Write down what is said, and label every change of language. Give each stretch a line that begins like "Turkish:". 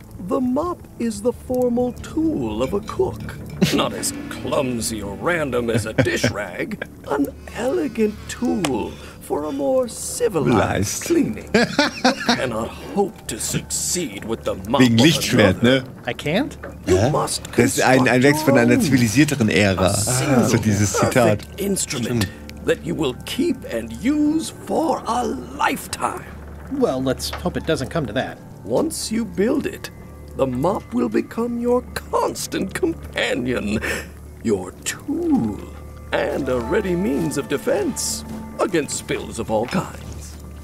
English: The mop is the formal tool of a cook. Not as clumsy or random as a dish rag. An elegant tool for a more civilized cleaning. You cannot hope to succeed with the mop.
German: Wegen Lichtschwert, ne?
English: I can't? You must
German: das ist ein Wechsel von einer zivilisierteren Ära. So dieses Zitat.
English: Instrument that you will keep and use for a lifetime. Well, let's hope it doesn't come to that. Once you build it, the mop will become your constant companion, your tool, and a ready means of defense against spills of all kinds.